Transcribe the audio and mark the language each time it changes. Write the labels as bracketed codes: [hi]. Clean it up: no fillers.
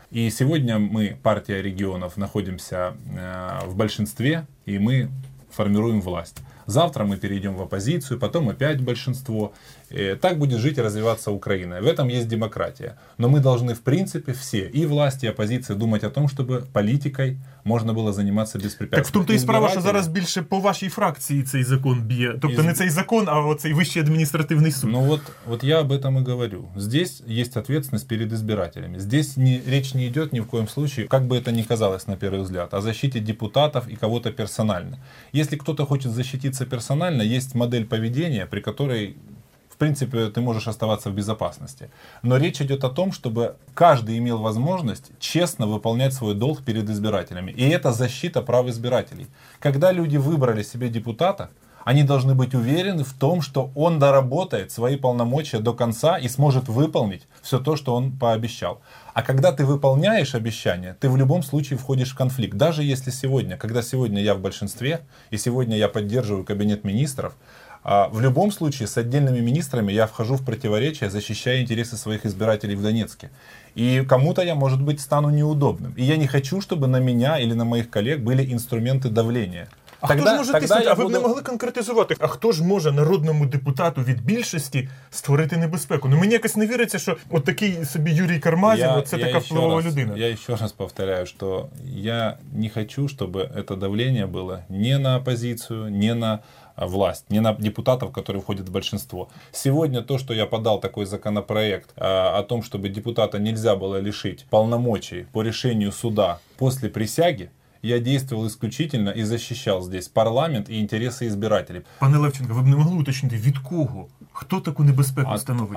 [ru] И сегодня мы, партия регионов, находимся в большинстве, и мы формируем власть. Завтра мы перейдем в оппозицию, потом опять большинство. И так будет жить и развиваться Украина. В этом есть демократия. Но мы должны, в принципе, все, и власть, и оппозиция, думать о том, чтобы политикой [uk] можна було займатися [ru] безпрепятственно. [uk] Так в тому-то і справа, що зараз більше по вашій фракції цей закон б'є. Тобто не цей закон, а оцей Вищий адміністративний суд. [ru] Ну от, я об этом і говорю. [uk] Здесь є відповідальність перед избирателями. [ru] Здесь [uk] річ не йде ні [ru] в коем случае, как бы это ни казалось на первый взгляд, о защите депутатов и кого-то персонально. Если кто-то хочет защититься персонально, есть модель поведения, при которой в принципе, ты можешь оставаться в безопасности. Но речь идет о том, чтобы каждый имел возможность честно выполнять свой долг перед избирателями. И это защита прав избирателей. Когда люди выбрали себе депутата, они должны быть уверены в том, что он доработает свои полномочия до конца и сможет выполнить все то, что он пообещал. А когда ты выполняешь обещание, ты в любом случае входишь в конфликт. Даже если сегодня, когда сегодня я в большинстве, и сегодня я поддерживаю кабинет министров, а в любом случае с отдельными министрами я вхожу в противоречие, защищая интересы своих избирателей в Донецке. И кому-то я, может быть, стану неудобным. И я не хочу, чтобы на меня или на моих коллег были инструменты давления. [uk] А хто ж може тиснути? А ви б не могли конкретизувати, а хто ж може народному депутату від більшості створити небезпеку? Ну мені якось не віриться, що отакий собі Юрій Кармазін, це така впливова людина. Я ще раз повторяю, що я не хочу, щоб це давлення було ні на опозицію, ні на [ru] власть, не на депутатов, которые входят в большинство. Сегодня то, что я подал такой законопроект о том, чтобы депутата нельзя было лишить полномочий по решению суда после присяги, я действовал исключительно и защищал здесь парламент и интересы избирателей. Пане Левченко, вы бы не могли уточнить, від кого? Кто такую небезпеку установит?